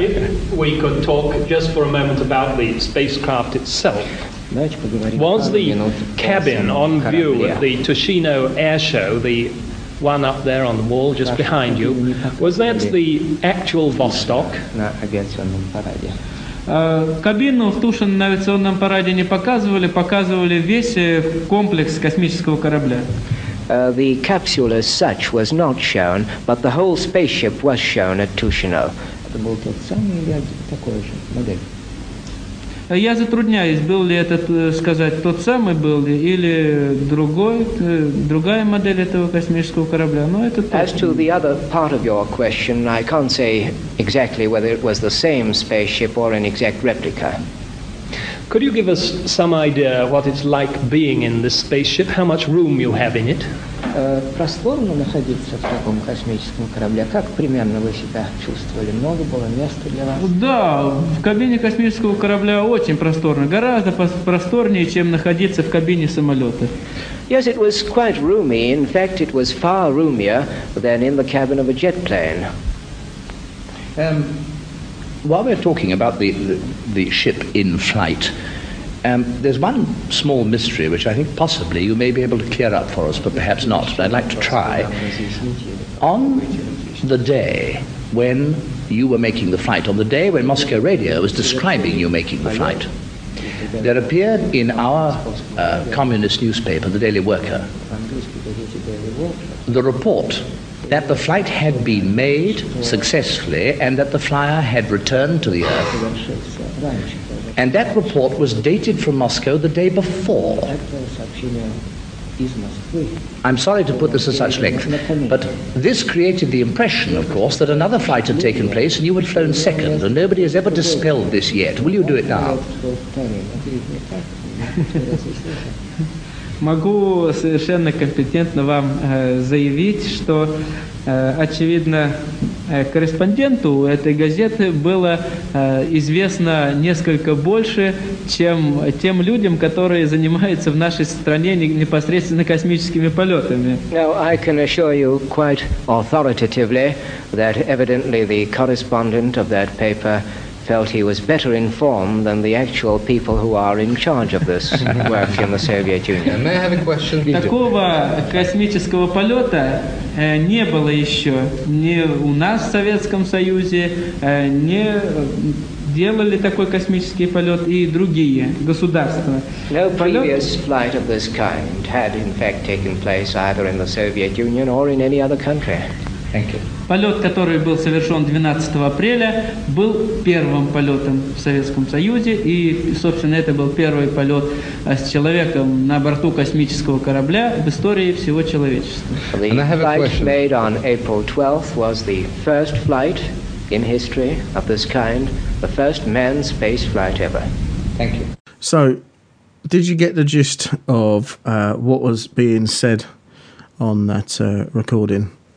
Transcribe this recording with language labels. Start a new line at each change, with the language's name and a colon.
English: If we could talk just for a moment about the spacecraft itself. Was the cabin on view at the Toshino Air Show, the one up there on the wall just behind you, was that the actual Vostok? No, I guess on the parade.
Russian: Кабину в Тушино на авиационном параде не показывали, показывали весь комплекс космического корабля.
English: The capsule as such was not shown, but the whole spaceship was shown at Tushino.
Russian: Это был тот самый или такой же модель? Я затрудняюсь, был ли этот, сказать, тот самый был ли, или другая модель этого космического корабля, но это точно.
English: As to the other part of your question, I can't say exactly whether it was the same spaceship or an exact replica. Could you give us some idea what it's like being in this spaceship, how much room you have in it?
Russian: Просторно находиться в таком космическом корабле. Как примерно вы себя чувствовали? Много было места для вас? Да, в кабине космического корабля очень просторно. Гораздо просторнее, чем находиться в кабине самолета.
English: Yes, it was quite roomy. In fact, it was far roomier than in the cabin of a jet plane. While we're talking about the ship in flight, There's one small mystery which I think possibly you may be able to clear up for us, but perhaps not, but I'd like to try. On the day when you were making the flight, on the day when Moscow Radio was describing you making the flight, there appeared in our communist newspaper, the Daily Worker, the report that the flight had been made successfully and that the flyer had returned to the Earth. And that report was dated from Moscow the day before. I'm sorry to put this at such length, but this created the impression, of course, that another flight had taken place and you had flown second, and nobody has ever dispelled this yet. Will you do it now?
Russian: Могу совершенно компетентно вам заявить, что, очевидно, корреспонденту этой газеты было известно несколько больше, чем тем людям, которые занимаются в нашей стране непосредственно космическими полетами.
English: Now, I can assure you quite authoritatively that evidently the correspondent of that paper felt he was better informed than the actual people who are in charge of this work in the Soviet Union. May I have a question?
Russian: Такого космического полета не было еще ни у нас в Советском Союзе, ни делали такой космический полет и другие государства.
English: No previous flight of this kind had in fact taken place either in the Soviet Union or in any other country. Thank you.
Russian: Полет, который был совершен 12 апреля, был первым полетом в Советском Союзе, и, собственно, это был первый полет с человеком на борту космического корабля в истории всего человечества.
English: The flight made on April 12th was the first flight in history of this kind, the first manned space flight ever. Thank you. So, did you get the gist of what was being said on that recording?